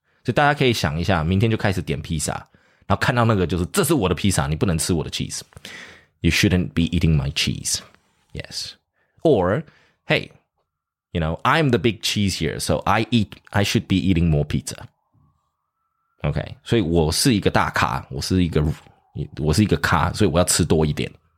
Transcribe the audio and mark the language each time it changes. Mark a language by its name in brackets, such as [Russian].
[Chinese] 所以大家可以想一下,明天就开始点披萨,然后看到那个就是,这是我的披萨,你不能吃我的 cheese. [English] You shouldn't be eating my cheese. Yes. Or, hey, you know, I'm the big cheese here, so I should be eating more pizza. Okay. [Chinese] 所以我是一个大咖，我是一个咖，所以我要吃多一点。